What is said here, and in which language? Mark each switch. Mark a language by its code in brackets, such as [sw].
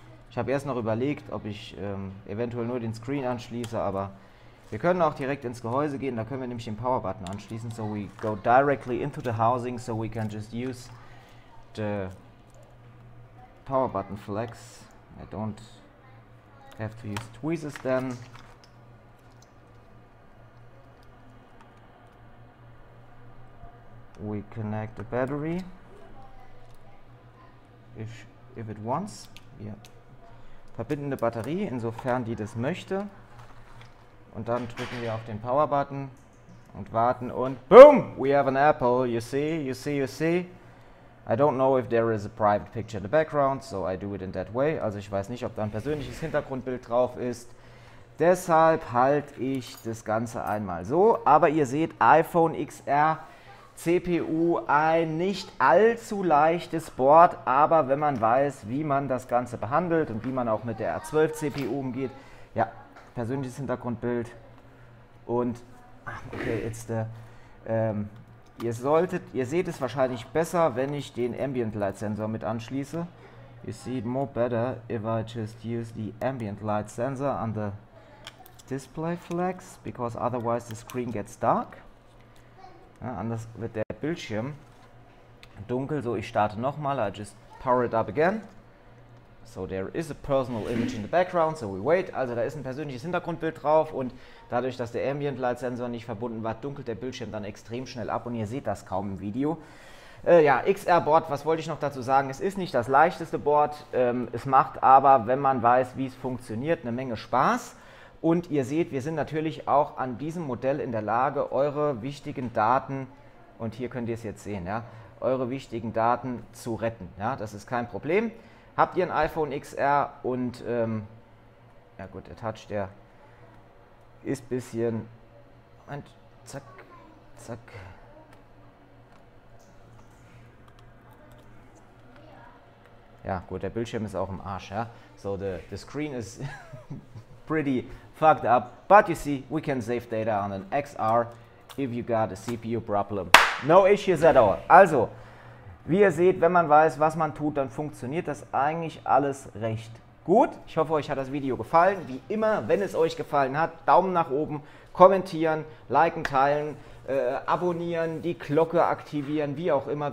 [de] Ich habe erst noch überlegt, ob ich eventuell nur den Screen anschließe, aber wir können auch direkt ins Gehäuse gehen, da können wir nämlich den Power-Button anschließen. [en] So we go directly into the housing, so we can just use the Power-Button flex. I don't have to use tweezers then. We connect the battery. If it wants. [de] Wir verbinden die Batterie, insofern die das möchte. Und dann drücken wir auf den Power-Button und warten und BOOM! [en] We have an apple, you see, you see, you see. I don't know if there is a private picture in the background, so I do it in that way. [de] Also ich weiß nicht, ob da ein persönliches Hintergrundbild drauf ist. Deshalb halte ich das Ganze einmal so. Aber ihr seht, iPhone XR CPU, ein nicht allzu leichtes Board. Aber wenn man weiß, wie man das Ganze behandelt und wie man auch mit der R12 CPU umgeht. Ja, persönliches Hintergrundbild. Und, okay, jetzt der... Ihr seht es wahrscheinlich besser, wenn ich den Ambient Light Sensor mit anschließe. [en] You see it more better if I just use the Ambient Light Sensor on the Display Flex, because otherwise the screen gets dark. [de] Ja, anders wird der Bildschirm dunkel. So, ich starte nochmal. [en] I just power it up again. So, there is a personal image in the background, so we wait. [de] Also, da ist ein persönliches Hintergrundbild drauf und dadurch, dass der Ambient Light Sensor nicht verbunden war, dunkelt der Bildschirm dann extrem schnell ab und ihr seht das kaum im Video. Ja, XR Board, was wollte ich noch dazu sagen? Es ist nicht das leichteste Board, es macht aber, wenn man weiß, wie es funktioniert, eine Menge Spaß. Und ihr seht, wir sind natürlich auch an diesem Modell in der Lage, eure wichtigen Daten, und hier könnt ihr es jetzt sehen, ja, eure wichtigen Daten zu retten. Ja, das ist kein Problem. Habt ihr ein iPhone XR und, ja gut, der Touch, der ist ein bisschen, Moment, zack, zack. Ja gut, der Bildschirm ist auch im Arsch, ja. [en] So, the screen is pretty fucked up, but you see, we can save data on an XR if you got a CPU problem. No issues at all. [de] Also, wie ihr seht, wenn man weiß, was man tut, dann funktioniert das eigentlich alles recht gut. Ich hoffe, euch hat das Video gefallen. Wie immer, wenn es euch gefallen hat, Daumen nach oben, kommentieren, liken, teilen, abonnieren, die Glocke aktivieren, wie auch immer.